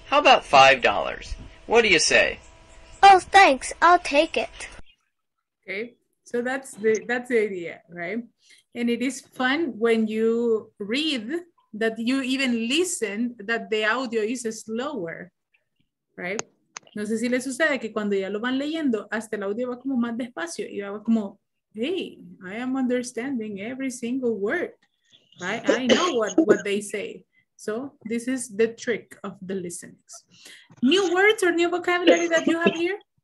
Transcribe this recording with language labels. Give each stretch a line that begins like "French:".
English: How about $5? What do you say? Oh, thanks. I'll take it. Okay, so that's the idea, right? And it is fun when you read that you even listen that the audio is slower, right?
Spanish: No sé si les sucede que cuando ya lo van leyendo, hasta el audio va como más despacio y va como,
English: hey, I am understanding every single word, right? I know what they say. So this is the trick of the listenings. New words or new vocabulary that you have here?